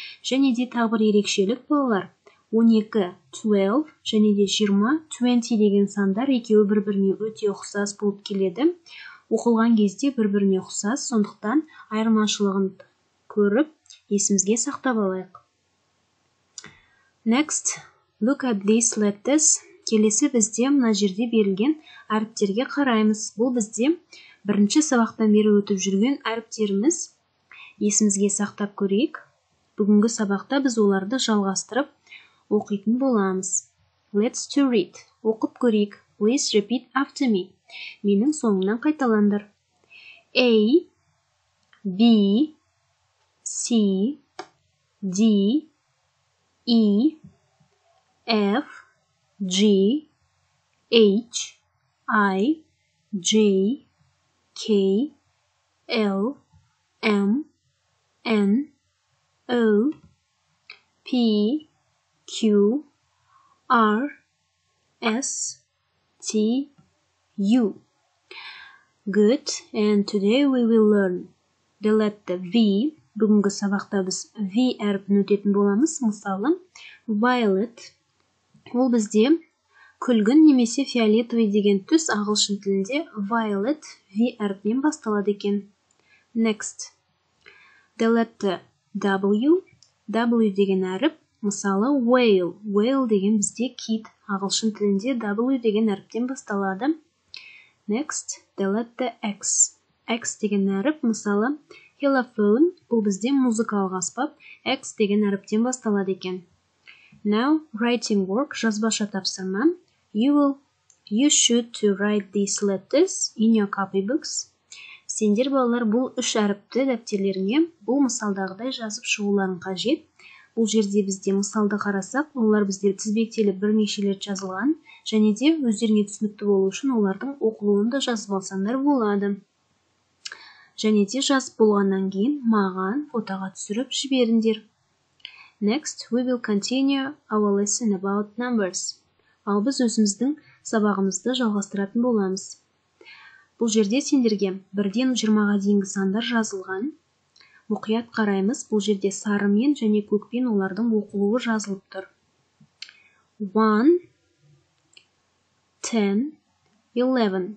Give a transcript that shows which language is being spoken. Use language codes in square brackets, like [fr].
[kk] Және де тағы бір ерекшелік балалар. 12, 12 және де 20, 20 деген сандар екеуі бір-біріне өте ұқсас болып келеді. Оқылған кезде бір-біріне ұқсас, сондықтан айырмашылығын көріп, есімізге сақтап алайық. [en] Next, look at these letters. [kk] Келесі бізде мына жерде берілген әріптерге қараймыз. Бұл бізде бірінші сабақтан бері өтіп жүрген әріптеріміз. Есімізге сақтап көрейік. Бүгінгі сабақта біз оларды жалғастырып оқитын боламыз. [en] Let's to read. [kk] Оқып көрейік. [en] Please repeat after me. [kk] Менің соңымнан қайталандыр. [en] A, B, C, D, E, F, G, H, I, J, K, L, M, N, O, P, Q, R, S, T, U. Good, and today we will learn the letter V. [kk] Бүгінгі сабақта біз V әріпін өтетін боламыз. Мысалы, violet. Ол бізде күлгін немесе фиолетовый деген түс ағылшын тілінде violet V әріпінен басталады екен. [en] Next. The letter W. [kk] W деген әріп. Мысалы, whale. Whale деген бізде кит. Ағылшын тілінде W деген әріптен басталады. [en] Next. The letter X. [kk] X деген әріп. Мысалы, телефон, бұл бізде музыкалық аспап, X деген әріптен басталады екен. [en] Now, writing work, [kk] жазбаша тапсырма. [en] You should to write these letters in your copy books. [kk] Сендер балалар бұл үш әріпті дәптерлеріне бұл мысалдағыдай жазып шығуларын қажет. Бұл жерде бізде мысалды қарасақ, олар бізде тізбектеліп бірнеше рет жазылған, және де өздеріне түсінікті болу үшін олардың оқылуын да жазып алсаңдар болады. Және де жазып болғаннан кейін маған фотоға түсіріп жіберіңдер. [en] Next, we will continue our lesson about numbers. [kk] Ал біз өзіміздің сабағымызды жалғастыратын боламыз. Бұл жерде сендерге 1-ден 20-ға дейінгі сандар жазылған. Мұқият қараймыз, бұл жерде сарымен және көкпен олардың оқылуы жазылып тұр. 1, 10, 11.